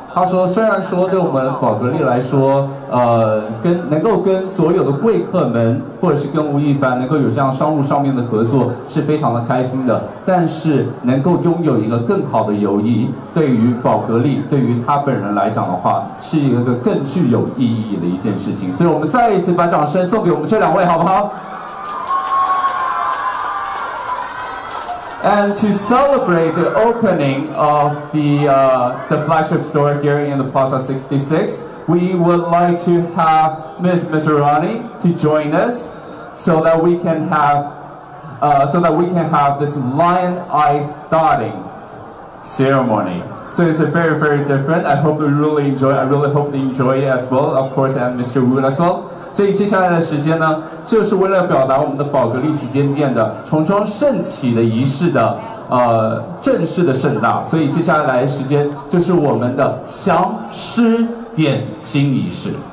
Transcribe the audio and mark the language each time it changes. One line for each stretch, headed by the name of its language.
Chinese: 他说，虽然说对我们宝格丽来说，能够跟所有的贵客们，或者是跟吴亦凡能够有这样商务上面的合作是非常的开心的，但是能够拥有一个更好的友谊，对于宝格丽，对于他本人来讲的话，是一个更具有意义的一件事情。所以我们再一次把掌声送给我们这两位，好不好？
English: And to celebrate the opening of the flagship store here in the Plaza 66, we would like to have Ms. Mizrani to join us so that we can have this lion eyes dotting ceremony. So it's very, very different. I hope you really enjoy it. I really hope you enjoy it as well, of course, and Mr. Wu as well.
Chinese: 所以接下来的时间呢，就是为了表达我们的宝格丽旗舰店的重装盛起的仪式的正式的盛大。所以接下来的时间就是我们的香师点心仪式。